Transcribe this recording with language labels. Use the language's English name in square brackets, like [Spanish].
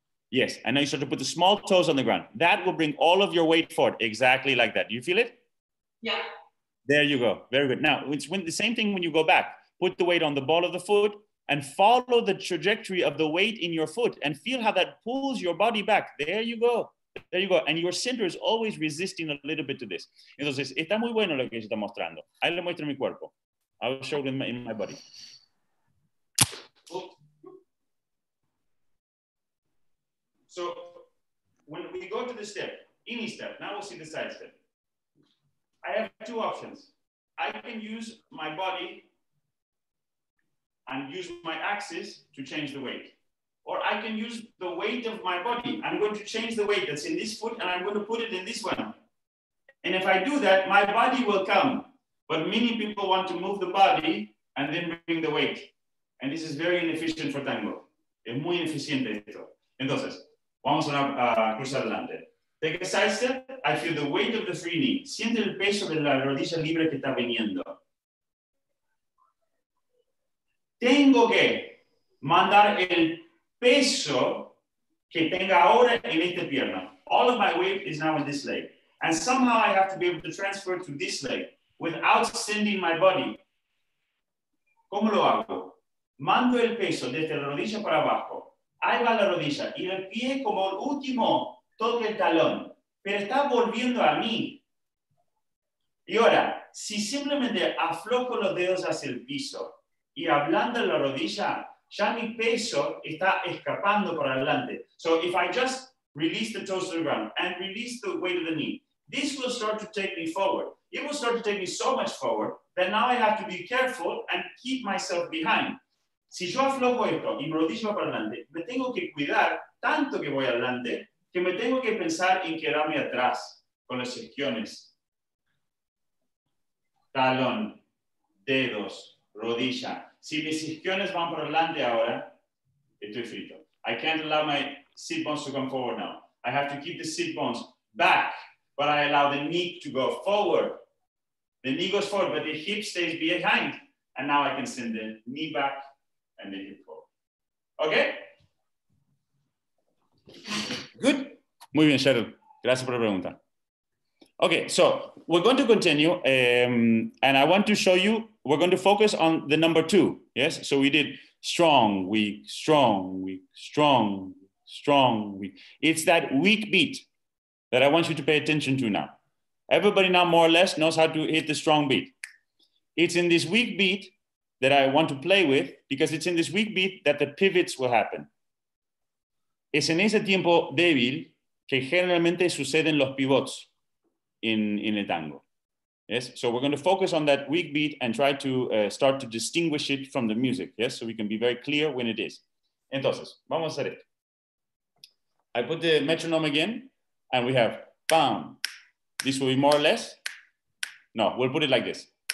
[English] Yes, and now you start to put the small toes on the ground. That will bring all of your weight forward, exactly like that. Do you feel it? Yeah. There you go. Very good. Now, it's when the same thing when you go back. Put the weight on the ball of the foot and follow the trajectory of the weight in your foot and feel how that pulls your body back. There you go. There you go. And your center is always resisting a little bit to this. [Spanish] Entonces, está muy bueno lo que se está mostrando. Ahí le muestro mi cuerpo. [English] I'll show it in my body. So, when we go to the step, any step, now we'll see the side step. I have two options. I can use my body and use my axis to change the weight. Or I can use the weight of my body. I'm going to change the weight that's in this foot and I'm going to put it in this one. And if I do that, my body will come. But many people want to move the body and then bring the weight. And this is very inefficient for tango. [Spanish] Es muy ineficiente esto. Entonces, vamos a cruzar adelante. [English] Take a side step, I feel the weight of the free knee. [Spanish] Siente el peso de la rodilla libre que está viniendo. Tengo que mandar el peso que tenga ahora en esta pierna. [English] All of my weight is now in this leg. And somehow I have to be able to transfer to this leg without sending my body. [Spanish] ¿Cómo lo hago? Mando el peso desde la rodilla para abajo. Ahí va la rodilla y el pie como el último toque el talón, pero está volviendo a mí. Y ahora, si simplemente afloco los dedos hacia el piso y ablando la rodilla, ya mi peso está escapando para adelante. [English] So if I just release the toes to the ground and release the weight of the knee, this will start to take me forward. It will start to take me so much forward that now I have to be careful and keep myself behind. [Spanish] Si yo afloco esto y mi rodilla para adelante, me tengo que cuidar tanto que voy adelante que me tengo que pensar en quedarme atrás con los isquiones. Talón, dedos, rodilla. Si mis isquiones van por delante ahora, estoy frito. [English] I can't allow my sit bones to come forward now. I have to keep the sit bones back, but I allow the knee to go forward. The knee goes forward, but the hip stays behind. And now I can send the knee back and the hip forward. Okay? Good. [Spanish] Muy bien, Cheryl. Gracias por la pregunta. [English] Okay, so we're going to continue and I want to show you, we're going to focus on the number two. Yes, so we did strong, weak, strong, weak, strong, strong, weak. It's that weak beat that I want you to pay attention to now. Everybody now more or less knows how to hit the strong beat. It's in this weak beat that I want to play with because it's in this weak beat that the pivots will happen. [Spanish] Es en ese tiempo débil que generalmente suceden los pivots in el tango. [English] Yes, so we're going to focus on that weak beat and try to start to distinguish it from the music. Yes, so we can be very clear when it is. [Spanish] Entonces, vamos a hacer [English] it. I put the metronome again and we have bam. This will be more or less. No, we'll put it like this.